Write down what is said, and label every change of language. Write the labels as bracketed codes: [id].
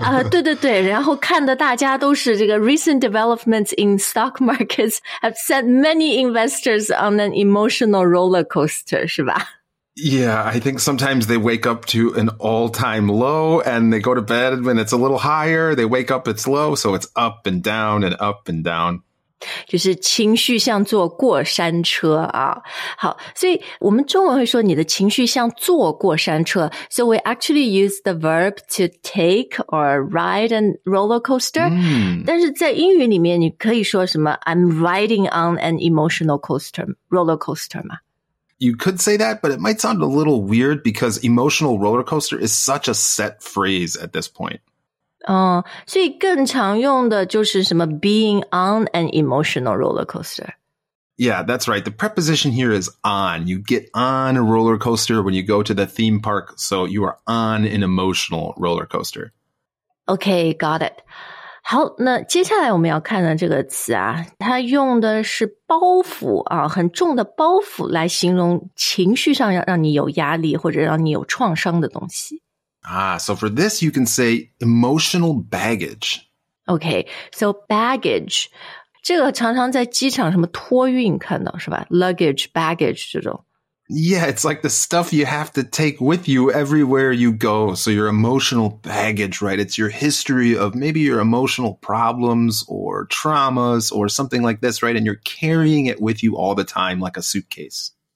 [zh] 对对对，然后看的大家都是这个 [en] recent developments in stock markets have set many investors on an emotional roller coaster, [zh] 是吧？ [en] Yeah, I think sometimes they wake up to an all-time low and they go to bed when it's a little higher, they wake up, it's low, so it's up and down and up and down. [zh] 就是情绪像坐过山车啊。好，所以我们中文会说你的情绪像坐过山车。 [en] So we actually use the verb to take or ride a roller coaster. [zh] 但是在英语里面你可以说什么 [en] I'm riding on an emotional coaster, roller coaster [zh] 吗？ [en] You could say that, but it might sound a little weird because emotional roller coaster is such a set phrase at this point. [zh] 所以更常用的就是什么 [en] being on an emotional roller coaster. Yeah, that's right. The preposition here is on. You get on a roller coaster when you go to the theme park, so you are on an emotional roller coaster. Okay, got it. [zh] 好，那接下来我们要看的这个词啊，它用的是包袱啊，很重的包袱来形容情绪上让你有压力或者让你有创伤的东西。 [en] So for this, you can say emotional baggage. Okay, so baggage. [zh] 这个常常在机场什么托运看到是吧 Luggage, baggage 这种。 [en] Yeah, it's like the stuff you have to take with you everywhere you go. So your emotional baggage, right? It's your history of maybe your emotional problems or traumas or something like this, right? And you're carrying it with you all the time like a suitcase.